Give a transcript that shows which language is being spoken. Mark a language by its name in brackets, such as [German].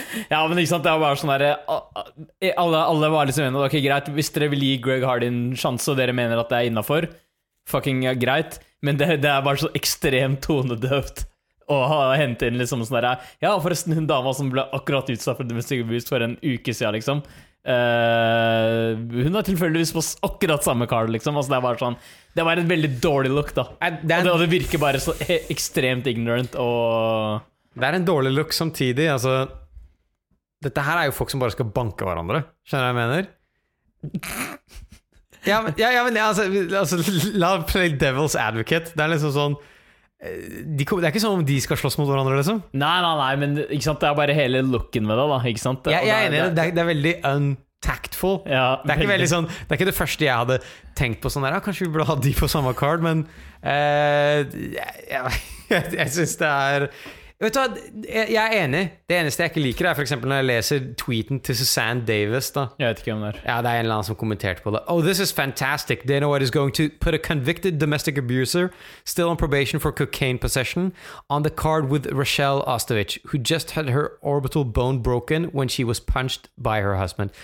[Norwegian] Ja, men ikke sant, det var bare sånn der, alle var liksom enige, ok, greit, hvis dere vil gi Greg Hardy en sjanse, og dere mener at det er innenfor, fucking greit, men det er bare så ekstremt tonedøvt å hente inn liksom sånn der, ja, forresten, en dame som ble akkurat utsatt for domestic abuse for en uke siden, liksom, hun har tilfelligvis på akkurat samme card liksom. Altså, det er bare sånn, det var en veldig dårlig look da. Og det virker bare så ekstremt ignorant og... Det er en dårlig look samtidig, altså. Dette her er jo folk som bare skal banke hverandre, skjønner du hva jeg mener? Ja, men, altså, la [English] play devil's advocate. [Norwegian] Det er liksom sånn, det er ikke sånn om de skal slåss mot hverandre liksom. Nei, men ikke sant, det er bare hele looken med det da, ikke sant? Jeg er enig, det er veldig untactful. Ja, det er ikke veldig sånn, det er ikke det første jeg hadde tenkt på sånn der, ja, kanskje vi burde ha de på samme card, men jeg synes det er, vet du hva, jeg er enig. Det eneste jeg ikke liker er for eksempel når jeg leser tweeten til Suzanne Davis da. Jeg vet ikke hvem der. Ja, det er en eller annen som kommenterte på det. [English] Oh, this is fantastic. Dana White is going to put a convicted domestic abuser still on probation for cocaine possession on the card with Rochelle Ostovich, who just had her orbital bone broken when she was punched by her husband.